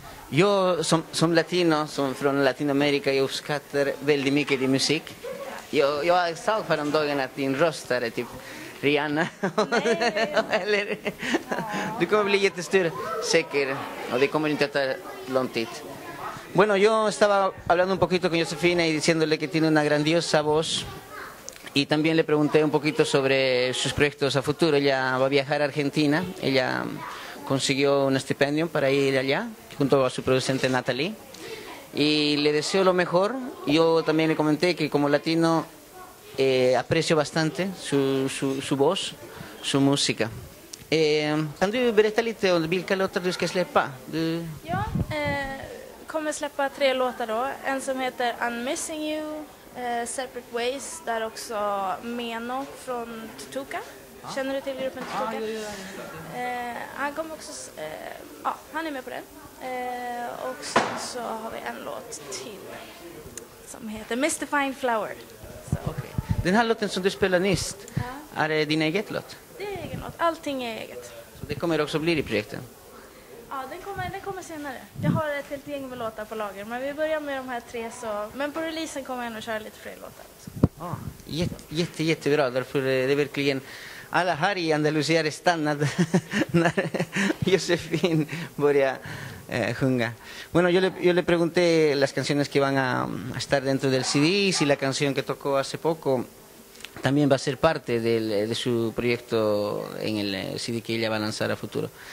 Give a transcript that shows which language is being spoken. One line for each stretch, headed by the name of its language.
Swedish: Jag som latino, som från Latinamerika, jag uppskattar väldigt mycket din musik. Jag sa för en dagen att din röst är typ Rihanna. Eller, du kommer bli jättestor, säker, och det kommer inte att ta lång tid.
Spanish: Bueno, yo estaba hablando un poquito con Josefina y diciéndole que tiene una grandiosa voz. Y también le pregunté un poquito sobre sus proyectos a futuro. Ella va a viajar a Argentina. Ella consiguió un estipendio para ir allá junto a su producente Nathalie. Y le deseo lo mejor. Yo también le comenté que como latino aprecio bastante su voz, su música.
Swedish: Kan du berätta lite om vilka låtar du ska släppa? Du... Ja, kommer släppa tre låtar då. En som heter I'm Missing You, Separate Ways, där också Meno från Tutuka. Känner du till gruppen Tutuka? Ja. Han kommer också, ja, han är med på den. Och sen så har vi en låt till som heter Mystifying Flower. Okay. Den här låten som du spelar nyss, ja, är det din eget låt? Det är egen låt, allting är eget. Så det kommer också bli i projekten? Ja, den kommer senare. Jag har ett helt gäng med låtar på lager, men vi börjar med de här tre. Så... Men på releasen kommer jag nog köra lite fler låtar. Ja, jättebra, därför det är verkligen... Alla här i Andalusia är stannade när Josefin börjar sjunga.
Spanish: Bueno, yo le pregunté las canciones que van a estar dentro del CD, si la canción que tocó hace poco también va a ser parte de su proyecto en el CD que ella va a lanzar a futuro.